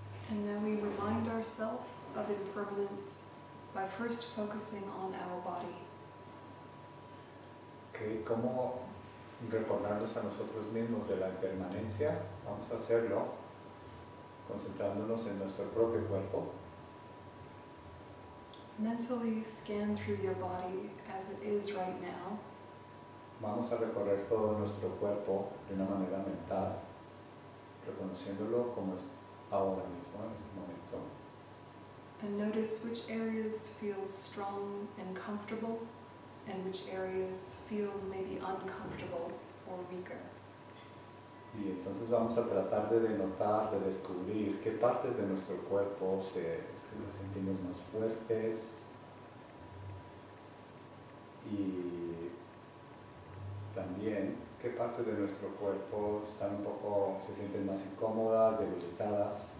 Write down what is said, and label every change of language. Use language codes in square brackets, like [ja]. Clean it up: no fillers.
[en] And then we remind ourselves of impermanence by first focusing on our body. [es] Okay, ¿cómo recordarnos a nosotros mismos de la impermanencia? Vamos a hacerlo concentrándonos en nuestro propio cuerpo. [en] Mentally scan through your body as it is right now. [es] Vamos a recorrer todo nuestro cuerpo de una manera mental, reconociéndolo como es ahora mismo, en este momento. [en] And notice which areas feel strong and comfortable, and which areas feel maybe uncomfortable or weaker. [es] Y entonces vamos a tratar de denotar, de descubrir qué partes de nuestro cuerpo se sentimos más fuertes y también qué partes de nuestro cuerpo están un poco, se sienten más incómodas, debilitadas.